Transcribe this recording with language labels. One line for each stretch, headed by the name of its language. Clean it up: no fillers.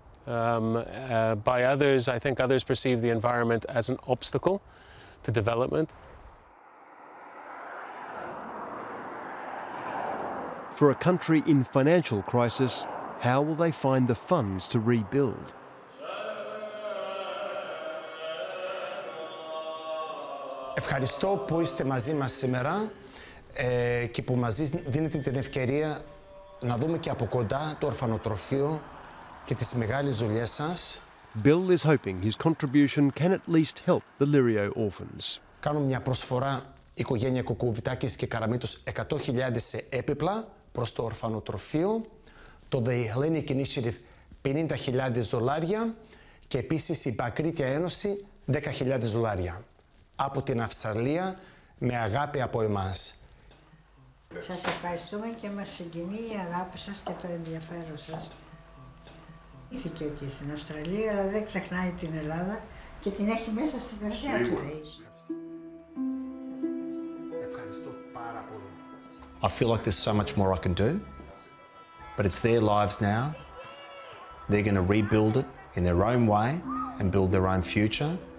English: By others, I think others perceive the environment as an obstacle to development. For a country in financial crisis, how will they find the funds to rebuild?
Greek: Ευχαριστώ που είστε μαζί μας σήμερα και που μας δίνετε την ευκαιρία να δούμε και από κοντά το ορφανοτροφείο και τις μεγάλες δουλειές σας.
English: Bill is hoping his contribution can at least help the Lirio orphans.
Greek: Κάνω μια προσφορά οικογένεια Κουκουβιτάκης και Καραμίτος 100.000 σε έπιπλα προς το ορφανοτροφείο, το The Hellenic Initiative 50.000 δολάρια και επίσης η Μπακρίτια Ένωση 10.000 δολάρια. Από την Αυστραλία, με αγάπη από εμάς. Σας ευχαριστούμε και μας συγκινεί η αγάπη σας και το ενδιαφέρον σας. Ήθηκε και στην Αυστραλία, αλλά δεν ξεχνάει την Ελλάδα και την έχει μέσα στην καρδιά του. Ευχαριστώ πάρα πολύ.
English: I feel like there's so much more I can do, but it's their lives now. They're going to rebuild it in their own way and build their own future.